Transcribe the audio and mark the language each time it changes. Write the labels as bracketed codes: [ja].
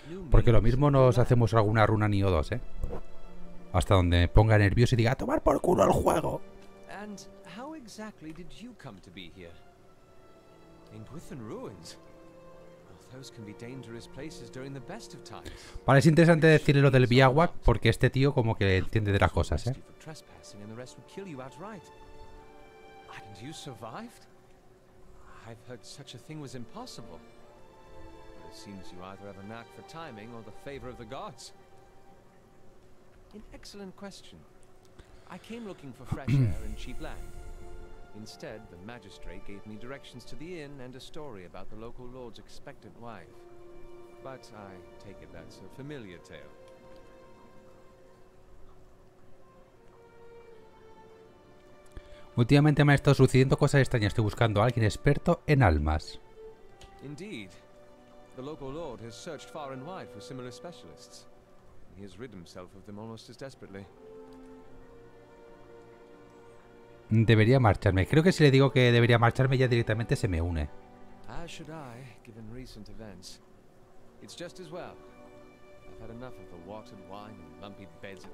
[es] Porque lo mismo nos hacemos alguna runa Nioh 2, ¿eh? Hasta donde me ponga nervioso y diga a tomar por culo el juego. [en] And how exactly did you come to be here? In Gwythyn ruins. Those can be dangerous places during the best of times. [es] Vale, es interesante decirle lo del Biawak, porque este tío como que entiende de las cosas, ¿eh? [en] For trespassing and the rest would kill you outright. And you survived? I've heard such a thing was impossible. But it seems you either have a knack for timing or the favor of the gods. An excellent question. I came looking for fresh air and cheap land. Instead, the magistrate gave me directions to the inn and a story about the local lord's expectant wife. But I take it that's a familiar tale. [es] Últimamente me han estado sucediendo cosas extrañas. Estoy buscando a alguien experto en almas. [en] Indeed, the local lord has searched far and wide for similar specialists. He has rid himself of them almost as desperately. [es] Debería marcharme. Creo que si le digo que debería marcharme, ya directamente se me une. [en] As should I, given recent events. It's just as well. I've had enough of the watered wine and lumpy beds.